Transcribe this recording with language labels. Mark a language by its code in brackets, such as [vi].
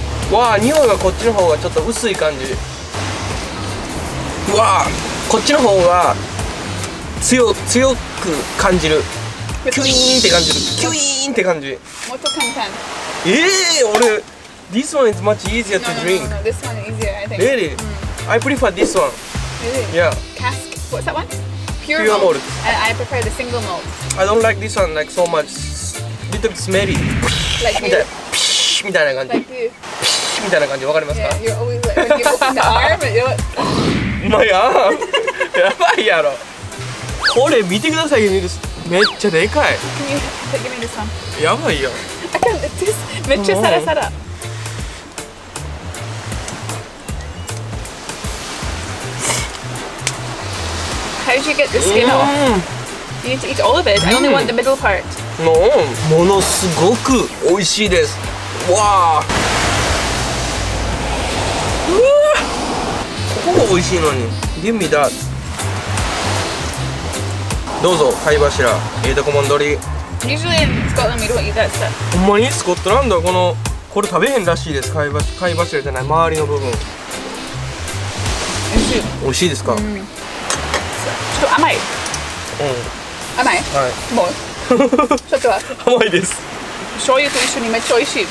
[ja] わあ、匂いがこっちの方がちょっと薄い感じ。わあ、こっちの方が強く感じる。キュイーンって感じる。キュイーンって感じ。もっと簡単。 [en] 俺、This one is much easier to drink. No, this one is easier, I think. Really?、Mm. I prefer this one. Really? Yeah. Cask? What's that one? Pure malt. I prefer the single malt. I don't like this one like so much. Little bit smelly. Like [ja] this. みたいな感じ、 [en] like、 [ja] ピシみたいな感じ、わかりますか。 [en] Yeah, you always like when you open the arm and you're like、 [ja] うまいやん。やばいやろ、これ見てください。めっちゃでかい。 [en] Can you give me this one? [ja] やばいよ。 [en] I can't lift this. [ja] めっちゃサラサラ。 [en] How did you get the skin off? You need to eat all of it. I only want the middle part. [ja] No, ものすごく美味しいです。わあ、うわあ、ここも美味しいのに。 [en] Give me that。 [ja] どうぞ、貝柱、ええとこもん取り。 [en] Usually in Scotland we don't eat that stuff。 [ja] ほんまに？スコットランドはこれ食べへんらしいです。貝柱じゃない、周りの部分。美味しいですか？ちょっと甘い。うん、甘い？はい、もうちょっとは甘いです。醤油と一緒にめっちゃ美味しい。